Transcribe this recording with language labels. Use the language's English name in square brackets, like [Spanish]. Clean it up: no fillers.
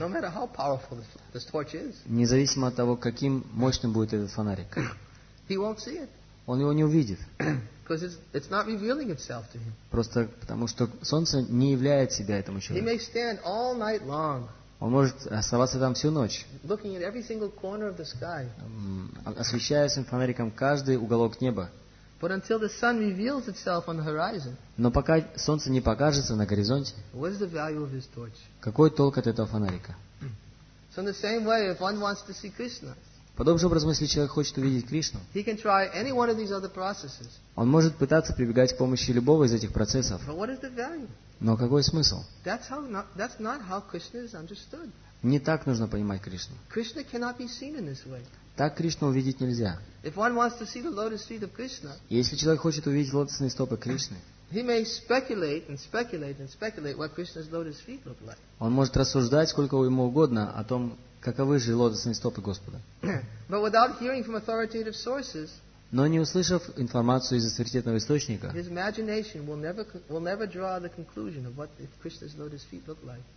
[English] No matter how powerful this torch is, [Russian] независимо от того, каким мощным будет этот фонарик, [English] he won't see it. [Russian] Он его не увидит. [English] Because it's not revealing itself to him. [Russian] Просто потому, что солнце не являет себя этому человеку. [English] He may stand all night long, [Russian] он может оставаться там всю ночь, [English] looking at every single corner of the sky, [Russian] освещая своим фонариком каждый уголок неба. [English] But until the sun reveals itself on the horizon, [Russian] но пока солнце не покажется на горизонте, [English] what is the value of his torch? [Russian] Какой толк от этого фонарика? [English] So in the same way, if one wants to see Krishna, [Russian] подобным же образом, если человек хочет увидеть Кришну, [English] he can try any one of these other processes, [Russian] он может пытаться прибегать к помощи любого из этих процессов. [English] But what is the value? [Russian] Но какой смысл? [English] That's not how Krishna is understood. [Russian] Не так нужно понимать Кришну. [English] Krishna cannot be seen in this way. [Russian] Так Кришну увидеть нельзя. [English] If one wants to see the lotus feet of Krishna, [Russian] если человек хочет увидеть лотосные стопы Кришны, [English] he may speculate and speculate and speculate what Krishna's lotus feet look like. [Russian] Он может рассуждать сколько ему угодно о том, каковы же лотосные стопы Господа. [English] But without hearing from authoritative sources, [Russian] но не услышав информацию из авторитетного источника, [English] his imagination will never draw the conclusion of what Krishna's lotus feet look like.